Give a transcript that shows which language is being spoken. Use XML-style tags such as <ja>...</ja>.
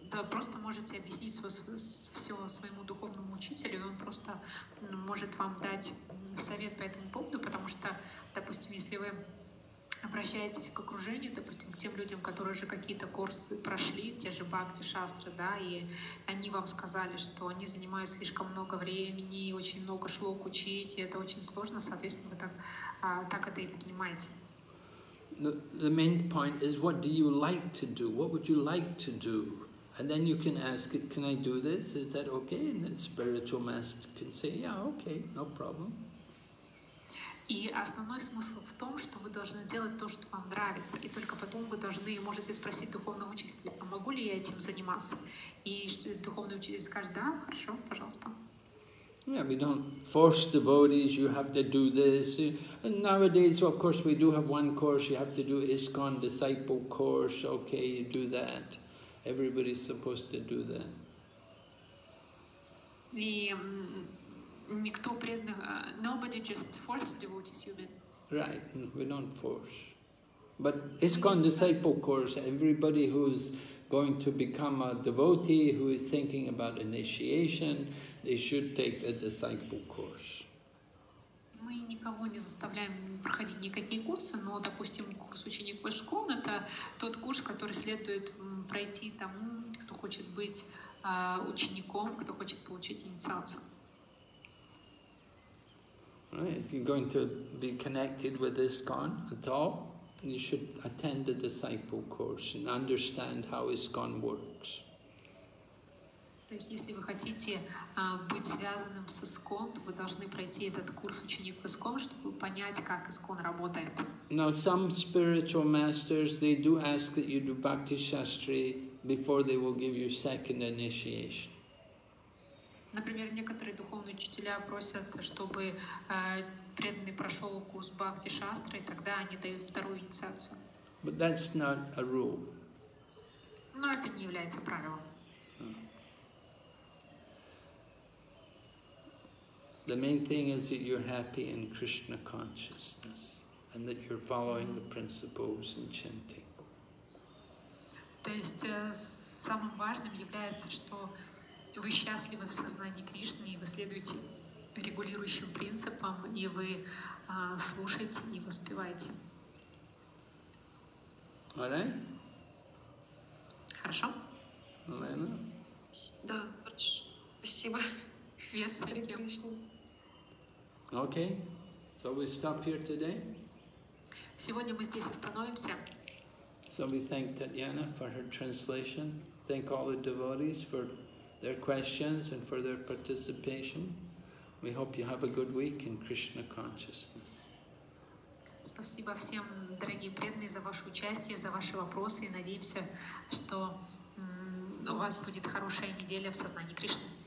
<ru>Просто можете объяснить все своему духовному учителю, и он просто может вам дать совет по этому поводу, потому что, допустим, если вы обращаетесь к окружению, допустим, к тем людям, которые уже какие-то курсы прошли, те же Бхакти Шастры, да, и они вам сказали, что они занимают слишком много времени, очень много шлок учить, и это очень сложно, соответственно, вы так это и принимаете.</ru> <en>The main point is, what do you like to do? What would you like to do? And then you can ask it, can I do this? Is that okay? And then spiritual master can say, yeah, okay, no problem.</en> <ru>И основной смысл в том, что вы должны делать то, что вам нравится. И только потом вы должны, можете спросить духовного учителя, а могу ли я этим заниматься? И духовный учитель скажет, да, хорошо, пожалуйста.</ru> <en>Yeah, we don't force devotees, you have to do this. And nowadays, well, of course, we do have one course, you have to do ISKCON disciple course, okay, you do that. Everybody's supposed to do that.</en> <ru>И никто преданных,</ru> <en>nobody just forces devotees, you mean? Right, we don't force. But ISKCON disciple course, everybody who's going to become a devotee, who is thinking about initiation, they should take a disciple course.</en> <ru>Мы никого не заставляем проходить никакие курсы, но, допустим, курс ученик в ISKCON — это тот курс, который следует пройти тому, кто хочет быть учеником, кто хочет получить инициацию.</ru> <en>If you're going to be connected with ISKCON at all, you should attend the disciple course and understand how ISKCON works.</en> <ru>То есть, если вы хотите быть связанным с ISKCON, то вы должны пройти этот курс ученик в ISKCON, чтобы понять, как ISKCON работает.</ru> <en>Now, some spiritual masters, they do ask that you do Bhakti Shastri before they will give you second initiation.</en> <ru>Например, некоторые духовные учителя просят, чтобы преданный прошел курс Бхакти Шастры, и тогда они дают вторую инициацию.</ru> <en>But that's not a rule.</en> <ru>Но это не является правилом.</ru> <en>The main thing is that you're happy in Krishna consciousness and that you're following the principles and chanting.</en> <ru>То есть самым важным является, что вы счастливы в сознании Кришны, и вы следуете регулирующим принципам, и вы слушаете и воспеваете.</ru> <en>All right?</en> <ru>Хорошо. Лена? Да, спасибо.</ru> <en>Yes, thank you. Okay, so we stop here today. Сегодня мы здесь остановимся. So we thank Tatyana for her translation. Thank all the devotees for their questions and for their participation. We hope you have a good week in Krishna consciousness.</en> <ru>Спасибо всем, дорогие преданные, за ваше участие, за ваши вопросы. И надеемся, что у вас будет хорошая неделя в сознании Кришны.</ru>